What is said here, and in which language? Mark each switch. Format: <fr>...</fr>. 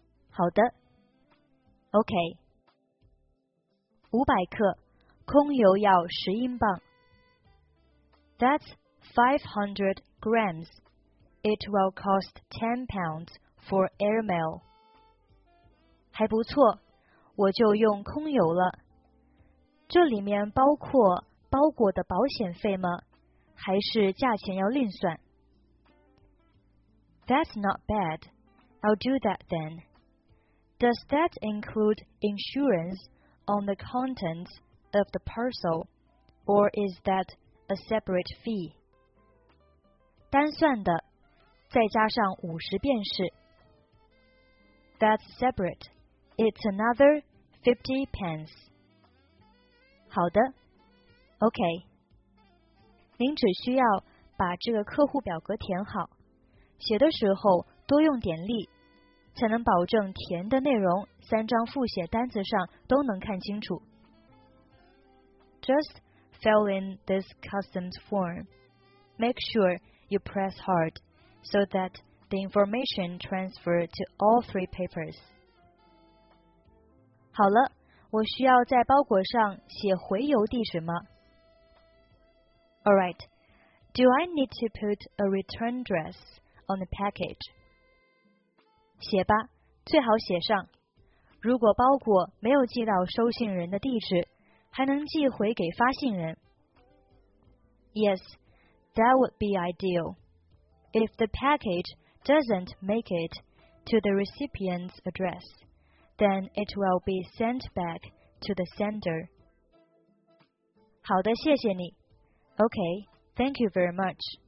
<zh>好的。OK. 500克，空邮要10英镑。</zh> <en>That's 500 grams. It will cost 10 pounds for airmail.</en> <zh>还不错，我就用空邮了。这里面包括包裹的保险费吗？还是价钱要另算？</zh> <en>That's not bad. I'll do that then. Does that include insurance on the contents of the parcel, or is that a separate fee?</en> <zh>单算的，再加上50便是。</zh> <en>That's separate. It's another 50 pence.</en> <zh>好的。OK. 您只需要把这个客户表格填好。写的时候多用点力，才能保证填的内容三张复写单子上都能看清楚。</zh> <en>Just fill in this customs form. Make sure you press hard so that the information transfer to all three papers.</en> <zh>好了，我需要在包裹上写回邮地址吗？</zh> <en>All right. Do I need to put a return address? On the package.</en> <zh>写吧，最好写上。如果包裹没有寄到收信人的地址，还能寄回给发信人。</zh> <en>Yes, that would be ideal. If the package doesn't make it to the recipient's address, then it will be sent back to the sender.</en> <zh>好的，谢谢你。</zh> <en>Okay, thank you very much.</en>